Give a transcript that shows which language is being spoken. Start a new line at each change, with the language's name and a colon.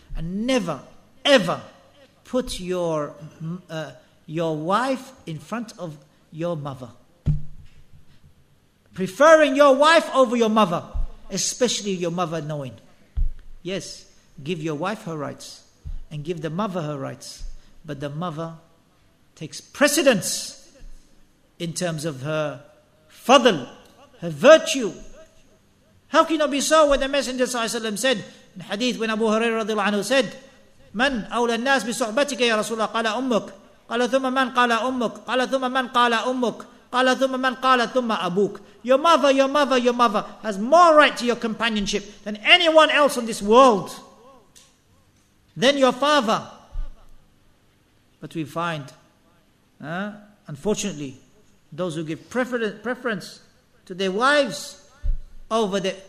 English: And never ever put your wife in front of your mother, preferring your wife over your mother, especially your mother knowing. Yes, give your wife her rights and give the mother her rights, but the mother takes precedence in terms of her fadl, her virtue. How can it be so when the Messenger said in hadith, when Abu Hurairah radiallahu anhu said,
Arabic: من أولى الناس بصحبتك يا رسول الله قال أمك قال ثم من قال أمك قال ثم من قال أمك قال ثم من قال ثم أبوك.
English: Your mother has more right to your companionship than anyone else on this world. Then your father. But we find, unfortunately, those who give preference to their wives over the...